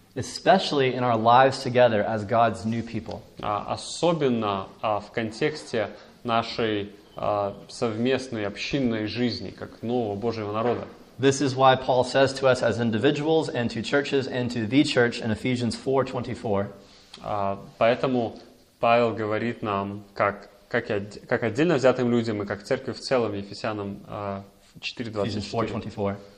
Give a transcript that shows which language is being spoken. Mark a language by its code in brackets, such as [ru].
[en] Especially in our lives together as God's new people. [ru] Особенно в контексте нашей совместной общинной жизни как нового Божьего народа. [en] This is why Paul says to us as individuals and to churches and to the church in Ephesians 4:24. [ru] Поэтому Павел говорит нам, как отдельно взятым людям и как церковь в целом, Ефесянам 4:24.